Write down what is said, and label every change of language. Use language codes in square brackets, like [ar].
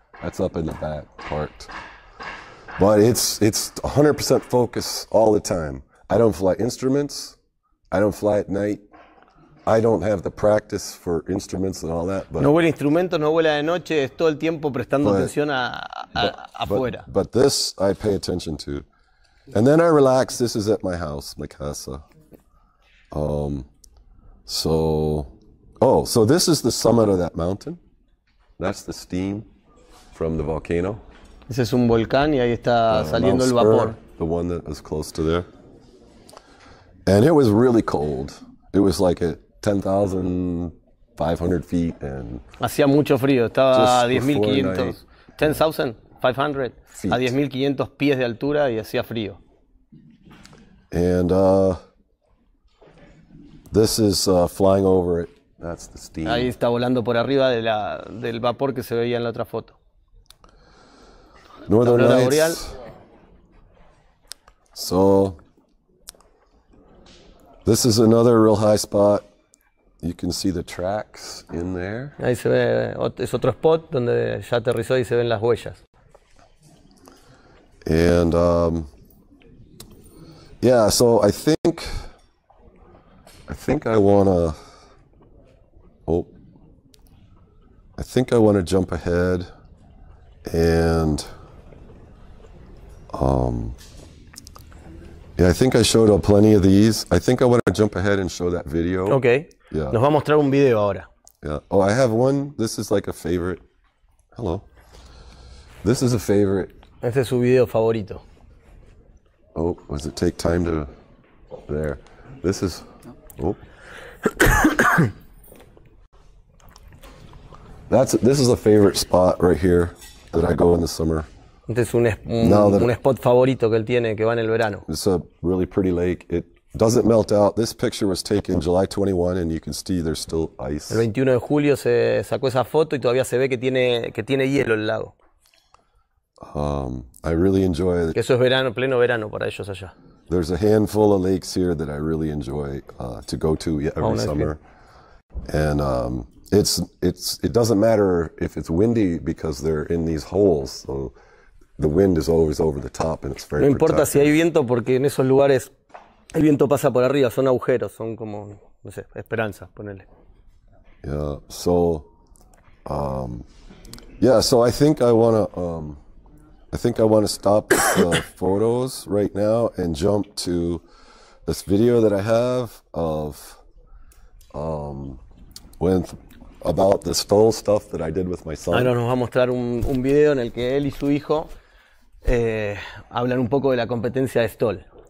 [en] That's up in the back part. But it's 100% focus all the time. I don't fly instruments. I don't fly at night. I don't have the practice for instruments and all that. But, [es] no vuela instrumentos, no vuela de noche, es todo el tiempo prestando atención afuera. [en] But this I pay attention to. And then I relax. This is at my house, my casa. So this is the summit of that mountain. That's the steam from the volcano. [es] Ese es un volcán y ahí está saliendo el vapor. [en] Spur, the one that is close to there. And it was really cold. It was like a 10,500 feet and [es] hacía mucho frío, estaba a 10,500. 10,500 feet. A 10,500 pies de altura y hacía frío. [en] And this is flying over it. That's the steam. [es] Ahí está volando por arriba de la del vapor que se veía en la otra foto. [en] Northern Lights. So this is another real high spot. You can see the tracks in there. [es] Ahí se ve, es otro spot donde ya aterrizó y se ven las huellas. [en] And so I think I want to jump ahead and I think I showed plenty of these. I think I want to jump ahead and show that video. [es] Okay. Yeah. Nos va a mostrar un video ahora. [en] Yeah. Oh, I have one. This is like a favorite. Hello. This is a favorite. [es] Este es su video favorito. [en] Oh, does it take time to... There. This is... Oh. This is a favorite spot right here that I go in the summer. [es] Este es un spot favorito que él tiene, que va en el verano. [en] It's a really pretty lake. It doesn't melt out. This picture was taken July 21, and you can see there's still ice. [es] El 21 de julio se sacó esa foto y todavía se ve que tiene hielo el lago. [en] I really enjoy it. [es] Eso es verano, pleno verano para ellos allá. [en] There's a handful of lakes here that I really enjoy to go to every summer. And it doesn't matter if it's windy because they're in these holes, so the wind is always over the top and it's very [es] No importa si hay viento porque en esos lugares el viento pasa por arriba, son agujeros, son como, no sé, esperanzas, ponele. [en] Yeah, so I think I want to stop the photos right now and jump to this video that I have of about the STOL stuff that I did with my son. [es] Ahora nos va a mostrar un video en el que él y su hijo hablan un poco de la competencia de STOL.